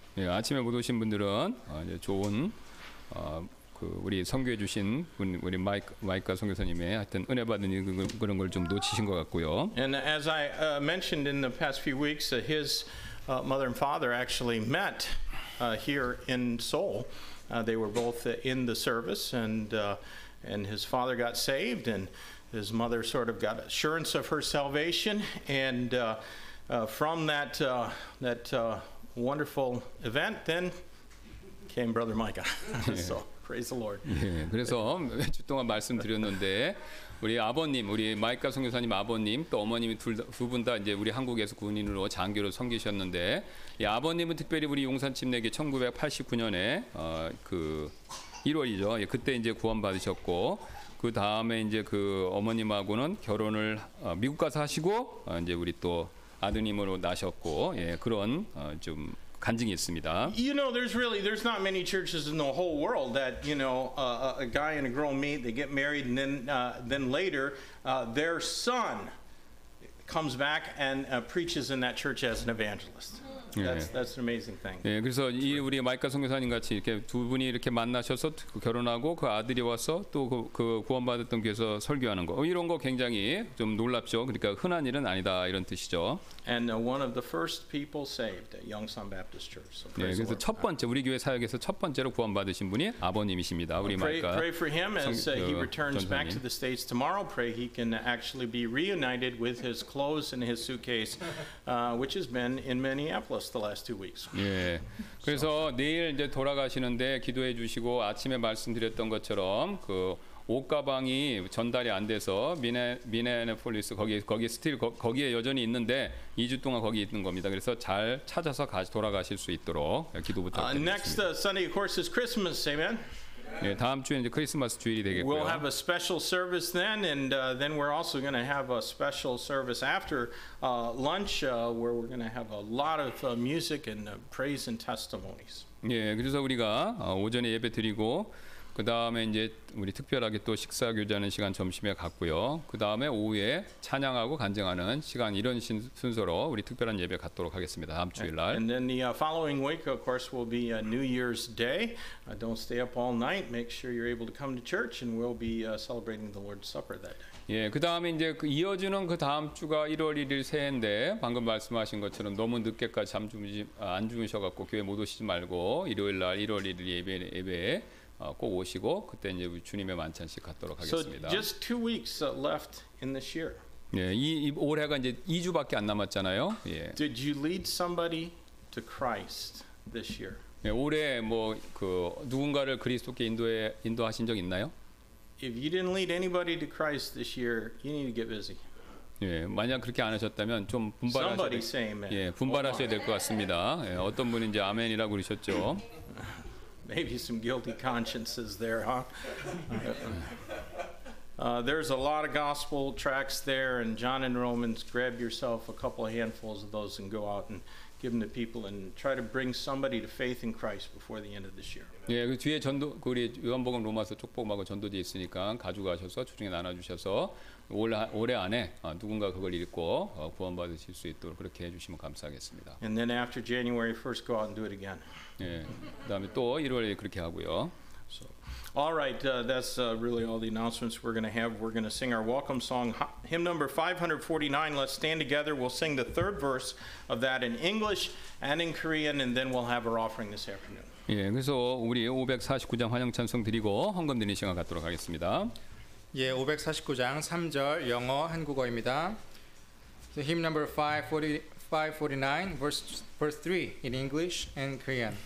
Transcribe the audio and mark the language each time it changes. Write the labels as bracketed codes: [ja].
[ko] 예, 아침에 못 오신 분들은 이제 좋은 그 우리 선교해 주신 분 우리 마이크 선교사님의 하여튼 은혜 받은 그런 걸 좀 놓치신 것 같고요. [en] And as I mentioned in the past few weeks, his mother and father actually met here in Seoul. They were both in the service, and his father got saved, and his mother sort of got assurance of her salvation, and from that wonderful event, then came Brother Micah. So praise the Lord. [ko] 그래서 주 동안 말씀드렸는데. 우리 아버님, 우리 마이카 선교사님 아버님 또 어머님이 두 분 다 이제 우리 한국에서 군인으로 장교로 섬기셨는데 이 아버님은 특별히 우리 용산 침례교 1989년에 그 1월이죠. 예, 그때 이제 구원 받으셨고 그 다음에 이제 그 어머님하고는 결혼을 미국 가서 하시고 이제 우리 또 아드님으로 나셨고 예, 그런 좀 간증이 있습니다. [en] You know, there's not many churches in the whole world that you know a guy and a girl meet, they get married, and then later their son comes back and preaches in that church as an evangelist. That's an amazing thing. [ko] 예, 그래서 이 우리 마이카 선교사님 같이 이렇게 두 분이 이렇게 만나셔서 결혼하고 그 아들이 와서 또 그 구원받았던 교회에서 설교하는 거 이런 거 굉장히 좀 놀랍죠. 그러니까 흔한 일은 아니다 이런 뜻이죠. [en] And one of the first people saved at Yongsan Baptist Church. So praise [ko] 예, 그래서 첫 번째 우리 교회 사역에서 첫 번째로 구원받으신 분이 아버님이십니다. 우리 마이카. [en] Pray for him as he returns back to the States tomorrow. Pray he can actually be reunited with his clothes and his suitcase, which has been in Minneapolis. The last 2 weeks. [ko] 예, 그래서 내일 이제 돌아가시는데 기도해 주시고 아침에 말씀드렸던 것처럼 그 옷 가방이 전달이 안 돼서 미네애폴리스 거기 스틸 거기에 여전히 있는데 2주 동안 거기 있는 겁니다. 그래서 잘 찾아서 같이 돌아가실 수 있도록 기도 부탁드립니다. [en] Next Sunday, of course, is Christmas. Amen. [ko] 예, 다음 주에 이제 크리스마스 주일이 되겠고요. [en] We'll have a special service then, and then we're also going to have a special service after lunch, where we're going to have a lot of music and praise and testimonies. [ko] 예, 그래서 우리가 오전에 예배 드리고 그 다음에 이제 우리 특별하게 또 식사 교제하는 시간 점심에 갖고요. 그 다음에 오후에 찬양하고 간증하는 시간 이런 순서로 우리 특별한 예배 갖도록 하겠습니다. 다음 주일날. [en] And then the following week, of course, will be New Year's Day. Don't stay up all night. Make sure you're able to come to church, and we'll be celebrating the Lord's Supper that day. [ko] 예, 그 다음에 이제 그 이어지는 그 다음 주가 1월 1일 새해인데 방금 말씀하신 것처럼 너무 늦게까지 안 주무셔갖고 교회 못 오시지 말고 일요일날 1월 1일 예배. 꼭 오시고 그때 이제 주님의 만찬식 갖도록 하겠습니다. [en] So just 2 weeks left in this year. [ko] 예, 이 올해가 이제 2주밖에 안 남았잖아요. 예. [en] Did you lead somebody to Christ this year? [ko] 예, 올해 뭐 그 누군가를 그리스도께 인도하신 적 있나요? [en] If you didn't lead anybody to Christ this year, you need to get busy. [ko] 예, 만약 그렇게 안 하셨다면 좀 분발하셔야 될 것 같습니다. 예, 어떤 분이 이제 아멘이라고 그러셨죠. [en] Maybe some guilty consciences there, huh? There's a lot of gospel tracts there, and John and Romans, grab yourself a couple of handfuls of those and go out and give them to people and try to bring somebody to faith in Christ before the end of this year. [ko] 예, 그 뒤에 전도, 그 우리 요한복음 로마서 축복하고 전도지 있으니까 가져가셔서 주중에 나눠주셔서 올해 안에 누군가 그걸 읽고 구원받으실 수 있도록 그렇게 해주시면 감사하겠습니다. [en] And then after January 1st, go out and do it again. [ko] 예, 그다음에 또 1월에 그렇게 하고요. [en] So, all right, that's really all the announcements we're going to have. We're going to sing our welcome song, hymn number 549. Let's stand together. We'll sing the third verse of that in English and in Korean, and then we'll have our offering this afternoon. [ko] 예, 그래서 우리 549장 환영 찬송 드리고 헌금 드리는 시간 갖도록 하겠습니다. 예, 549장 3절 영어 한국어입니다. [en] So, hymn number 549 verse 3 in English and Korean.